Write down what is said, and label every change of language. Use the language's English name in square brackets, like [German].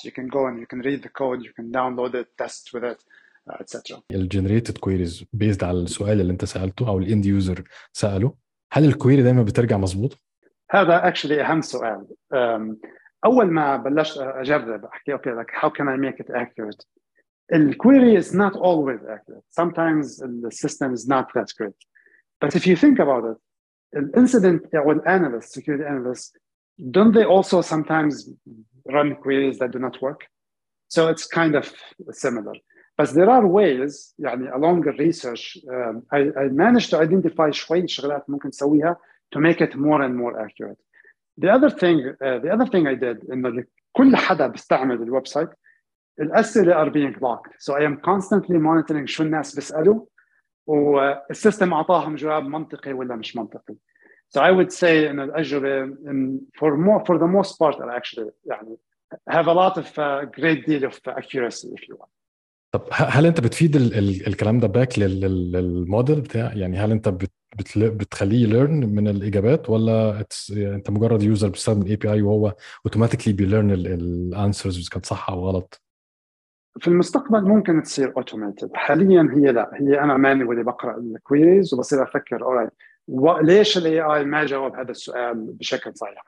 [English] You can go and you can read the code, you can download it, test with it, etc. The generated queries based [Arabic] على السؤال اللي أنت سألته أو الإند يوزر سأله, هل الكويري دائما بترجع مظبوط؟ هذا actually أهم سؤال. أول ما بلشت أجرب أحكي أوكي [English] like how can I make it accurate. The query is not always accurate. Sometimes the system is not that great. But if you think about it, an incident with analysts, security analysts, don't they also sometimes run queries that do not work? So it's kind of similar. But there are ways, يعني, along the research, I managed to identify [Arabic] شوي شغلات ممكن تسويها [English] to make it more and more accurate. The other thing I did, [Arabic] إنه كل حدا بيستعمل الويبسايت, الأسئلة [English] are being blocked. So I am constantly monitoring [Arabic] شو الناس بيسألوا والسيستم أعطاهم جواب منطقي ولا مش منطقي. [English] So I would say [Arabic] إن الأجوبة [English] for the most part are actually يعني have a lot of great deal of accuracy if you want. [Arabic] طب هل أنت بتفيد الكلام ده back للموديل بتاع, يعني هل أنت بتخليه learn من الإجابات ولا أنت مجرد user بيستخدم API وهو automatically بيlearn الانسرز إذا كانت صح أو غلط؟ في المستقبل ممكن تصير اوتوماتيد. حاليا هي لا, هي انا ماني واللي بقرا الكويريز وبصير افكر alright ليش الاي اي ما جاوب هذا السؤال بشكل صحيح.